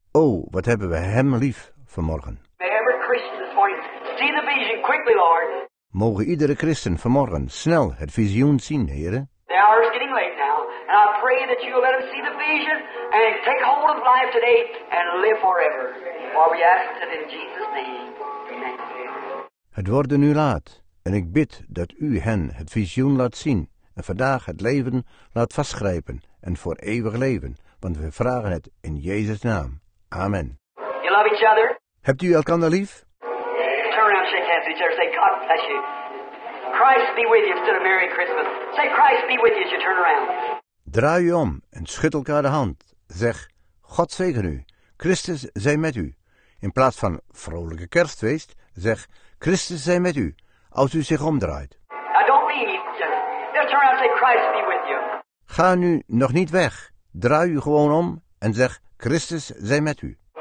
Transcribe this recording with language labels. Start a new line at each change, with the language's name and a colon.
Dutch: Oh, wat hebben we hem lief vanmorgen.
English: May every Christian this morning see the vision quickly, Lord.
Dutch: Mogen iedere christen vanmorgen snel het visioen zien, Heere.
English: The hour is getting late now, and I pray that you will let us see the vision and take hold of life today and live forever. For we ask it in Jesus' name. Amen.
Dutch: Het wordt nu laat, en ik bid dat u hen het visioen laat zien en vandaag het leven laat vastgrijpen en voor eeuwig leven, want we vragen het in Jezus' naam. Amen.
English: You love each other.
Dutch: Hebt u elkander lief?
English: Turn around and shake hands with each other. Say, God bless you. Christ be with you instead of Merry Christmas. Say, Christ be with you as you turn around.
Dutch: Draai u om en schud elkaar de hand. Zeg, God zegen u. Christus zij met u. In plaats van vrolijke kerstfeest, zeg, Christus zij met u. Als u zich omdraait.
English: Now don't leave each other. Just turn around and say, Christ be with you.
Dutch: Ga nu nog niet weg. Draai u gewoon om en zeg, Christus zij met u.